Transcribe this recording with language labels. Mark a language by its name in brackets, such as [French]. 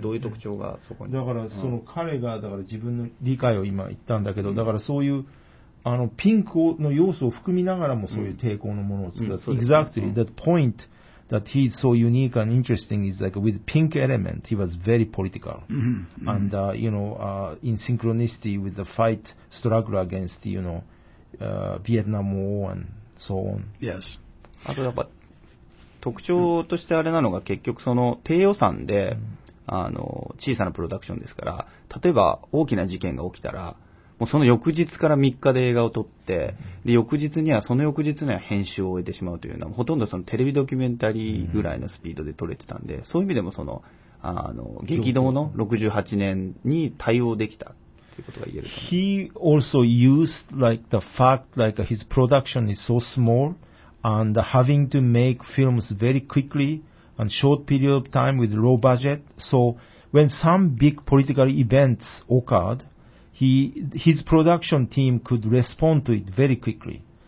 [Japanese] どういう特徴がそこに？だからその彼がだから自分の理解を今言ったんだけど、だからそういうピンクの要素を含みながらもそういう抵抗のものを作る。 [English] Exactly. That point that he's so unique and interesting is like with pink element, he was very political. Mm-hmm. And, you know, in synchronicity with the fight struggle against, you know, Vietnam War and so on. Yes. [Japanese] あとやっぱ特徴としてあれなのが結局その低予算で、小さなプロダクションですから、例えば大きな事件が起きたら、もうその翌日から3日で映画を撮って、で、翌日には、その翌日には編集を終えてしまうというのは、ほとんどそのテレビドキュメンタリーぐらいのスピードで撮れてたんで、そういう意味でもその、激動の68年に対応できたということが言えると思います。 [English] He also used like the fact like his production is so small and having to make films very quickly and short period of time with low budget. So when some big political events occurred,His production team could respond to it very quickly.